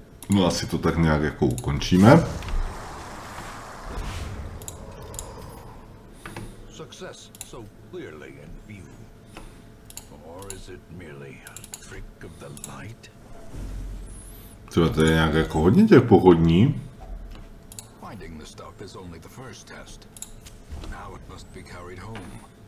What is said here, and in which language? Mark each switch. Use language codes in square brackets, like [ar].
[cs] No asi to tak nějak jako ukončíme. [en] Success so clearly in view. Or is it merely a trick of the light? [cs] Tyhle, to je nějak jako hodně těch pochodní. [en] Finding the stuff is only the first test. Now it must be carried home.